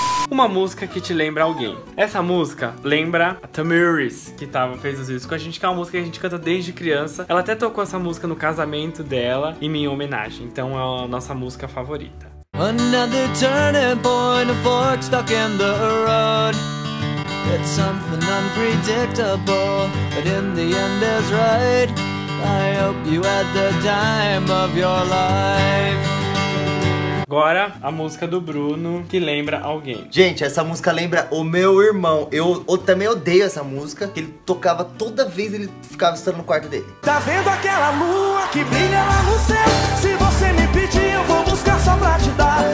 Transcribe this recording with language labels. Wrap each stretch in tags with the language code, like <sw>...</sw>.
<pt>Uma música que te lembra alguém. Essa música lembra a Tamiris, que fez os vídeos com a gente, que é uma música que a gente canta desde criança. Ela até tocou essa música no casamento dela, em minha homenagem. Então é a nossa música favorita.</pt> <en>Another turning point, a fork stuck in the road. It's something unpredictable, but in the end is right. I hope you had the time of your life.</en> <pt>Agora, a música do Bruno, que lembra alguém. Gente, essa música lembra o meu irmão. Eu também odeio essa música, que ele tocava toda vez, ele ficava estando no quarto dele. Tá vendo aquela lua que brilha lá no céu? Se você me pedir, eu vou buscar só pra te dar.</pt>